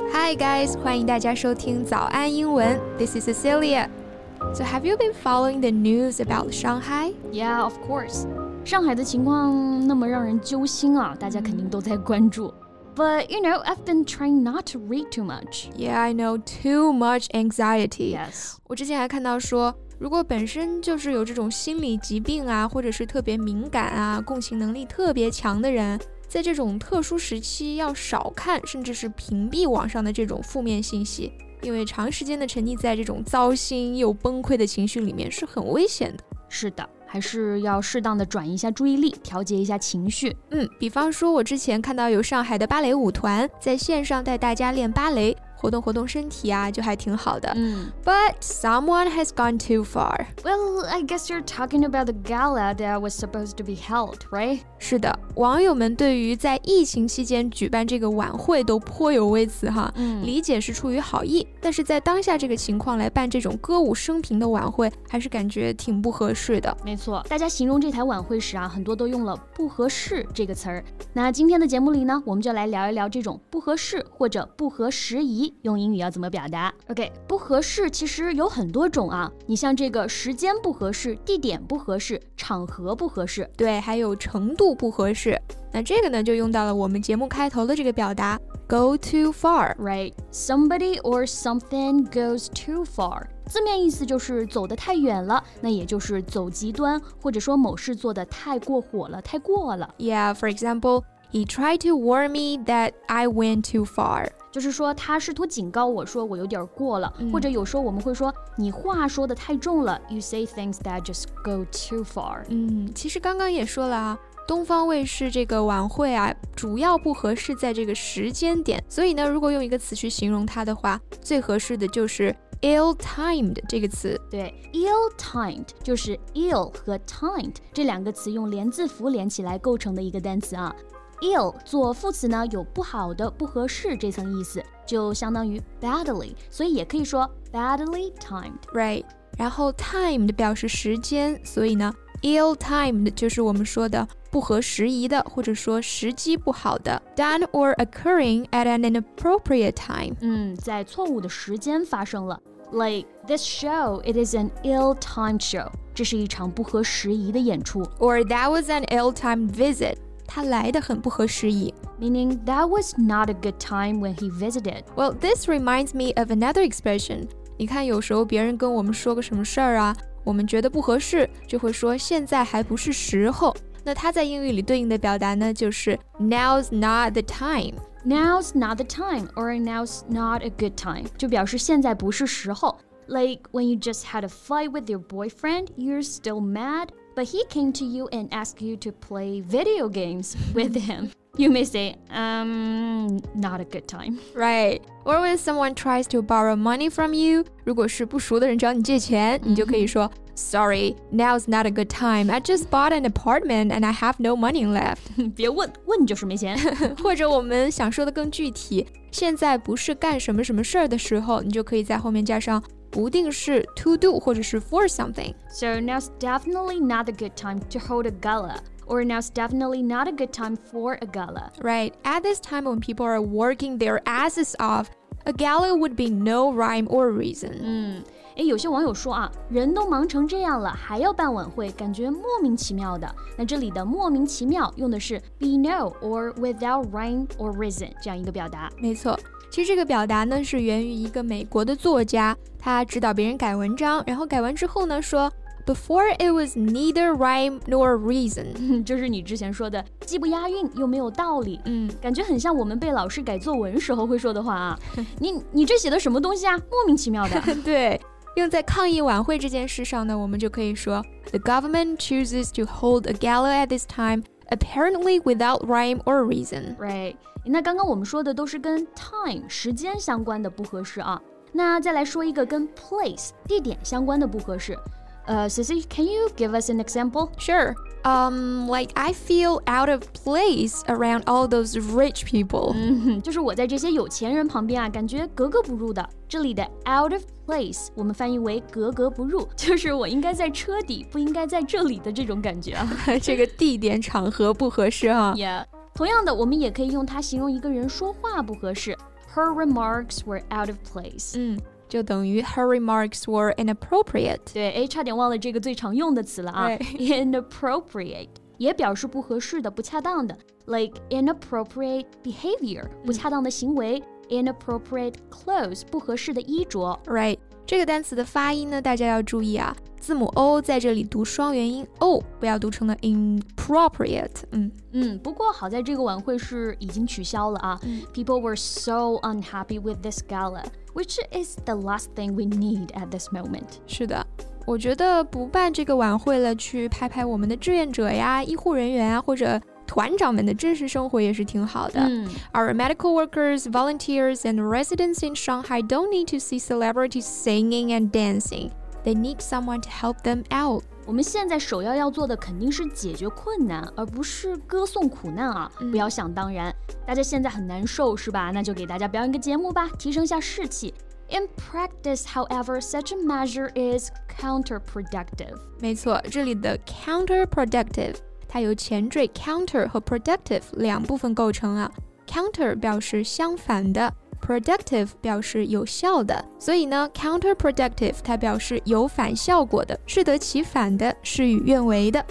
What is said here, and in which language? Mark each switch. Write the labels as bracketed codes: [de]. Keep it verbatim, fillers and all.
[en] Hi guys, [zh] 欢迎大家收听早安英文。 [en] This is Cecilia. So have you been following the news about Shanghai? Yeah, of course. [zh] 上海的情况那么让人揪心啊，大家肯定都在关注。 [en] But you know, I've been trying not to read too much. Yeah, I know, too much anxiety. Yes. [zh] 我之前还看到说，如果本身就是有这种心理疾病啊，或者是特别敏感啊，共情能力特别强的人。在这种特殊时期要少看甚至是屏蔽网上的这种负面信息，因为长时间的沉溺在这种糟心又崩溃的情绪里面是很危险的。是的，还是要适当的转移一下注意力，调节一下情绪。嗯，比方说我之前看到有上海的芭蕾舞团在线上带大家练芭蕾，活动活动身体啊，就还挺好的。嗯 [en] But someone has gone too far. Well, I guess you're talking about the gala that was supposed to be held, right? [zh] 是的，网友们对于在疫情期间举办这个晚会都颇有微词哈、嗯、理解是出于好意，但是在当下这个情况来办这种歌舞升平的晚会，还是感觉挺不合适的。没错，大家形容这台晚会时啊，很多都用了不合适这个词儿。那今天的节目里呢，我们就来聊一聊这种不合适或者不合时宜用英语要怎么表达。 OK， 不合适其实有很多种啊，你像这个时间不合适，地点不合适，场合不合适，对，还有程度不合适。那这个呢就用到了我们节目开头的这个表达 [en] go too far. Right, somebody or something goes too far， [zh] 字面意思就是走得太远了，那也就是走极端，或者说某事做得太过火了，太过了。 [en] Yeah, for example, he tried to warn me that I went too far. [zh] 就是说他试图警告我说我有点过了、嗯、或者有时候我们会说你话说的太重了， [en] You say things that just go too far. [zh] 嗯，其实刚刚也说了啊，东方卫视这个晚会啊，主要不合适在这个时间点，所以呢如果用一个词去形容它的话，最合适的就是ill-timed 这个词。对， ill-timed 就是 ill 和 timed 这两个词用连字符连起来构成的一个单词啊。 ill 做副词呢有不好的、不合适这层意思，就相当于 badly， 所以也可以说 badly timed. Right， 然后 timed 表示时间，所以呢 ill-timed 就是我们说的不合时宜的，或者说时机不好的。 [en] Done or occurring at an inappropriate time. [zh] 嗯，在错误的时间发生了。 [en] Like this show, it is an ill-timed show. [zh] 这是一场不合时宜的演出。 [en] Or that was an ill-timed visit. [zh] 他来得很不合时宜。 [en] Meaning that was not a good time when he visited. Well, this reminds me of another expression. [zh] 你看，有时候别人跟我们说个什么事儿啊，我们觉得不合适，就会说现在还不是时候。那它在英语里对应的表达呢，就是 [en] Now's not the time. Now's not the time, or now's not a good time. [zh] 就表示现在不是时候。 [en] Like when you just had a fight with your boyfriend, you're still mad. But he came to you and asked you to play video games with him. You may say, um, not a good time. Right. Or when someone tries to borrow money from you, [zh] 如果是不熟的人找你借钱，你就可以说 [en] Sorry, now's not a good time. I just bought an apartment and I have no money left. [zh] 别问，问就是没钱。或者我们想说的更具体，现在不是干什么什么事儿的时候，你就可以在后面加上不定是 to do 或者是 for something. [en] So now's definitely not a good time to hold a gala, or now's definitely not a good time for a gala. Right, at this time when people are working their asses off, a gala would be no rhyme or reason. [zh] 嗯，诶，有些网友说啊，人都忙成这样了，还要办晚会，感觉莫名其妙的。那这里的莫名其妙用的是 [en] be no or without rhyme or reason [zh] 这样一个表达。没错。其实这个表达呢是源于一个美国的作家，他指导别人改文章，然后改完之后呢说 [en] Before it was neither rhyme nor reason. [zh] 就是你之前说的既不押韵又没有道理。嗯，感觉很像我们被老师改作文时候会说的话啊。你你这写的什么东西啊，莫名其妙的。对，用在抗议晚会这件事上呢，我们就可以说 [en] The government chooses to hold a gala at this time apparently without rhyme or reason. Right. [zh] 那刚刚我们说的都是跟 time 时间相关的不合适啊。那再来说一个跟 place 地点相关的不合适。 [en] 呃、uh, Sissy, can you give us an example? Sure. Um, like I feel out of place around all those rich people. [zh] 嗯，就是我在这些有钱人旁边啊，感觉格格不入的。这里的 out of place 我们翻译为格格不入，就是我应该在车底，不应该在这里的这种感觉啊。这个地点场合不合适啊。 [en] Yeah. [zh] 同样的，我们也可以用它形容一个人说话不合适。 [en] Her remarks were out of place. 嗯， [zh] 就等于 [en] her remarks were inappropriate. [zh] 对，诶，差点忘了这个最常用的词了啊 inappropriate 也表示不合适的、不恰当的 [en] like inappropriate behavior [zh] 不恰当的行为、嗯、 [en] inappropriate clothes [zh] 不合适的衣着 right 这个单词的发音呢，大家要注意啊，字母 O 在这里读双元音 O， 不要读成了 inappropriate。嗯嗯，不过好在这个晚会是已经取消了啊、 [en] 嗯、People were so unhappy with this gala, which is the last thing we need at this moment. [zh] 是的，我觉得不办这个晚会了，去拍拍我们的志愿者呀、医护人员啊，或者团长们的真实生活也是挺好的、嗯、 [en] Our medical workers, volunteers, and residents in Shanghai don't need to see celebrities singing and dancing. They need someone to help them out. [zh] 我们现在首要要做的肯定是解决困难，而不是歌颂苦难啊！不要想当然。大家现在很难受，是吧？那就给大家表演个节目吧，提升一下士气。 [en] In practice, however, such a measure is counterproductive. [zh] 没错，这里的 counterproductive 它由前缀 counter 和 productive 两部分构成啊。 Counter 表示相反的。Productive 表示有效的，所以呢 counterproductive 它表示有反效果的，适得其反的，事与愿违的。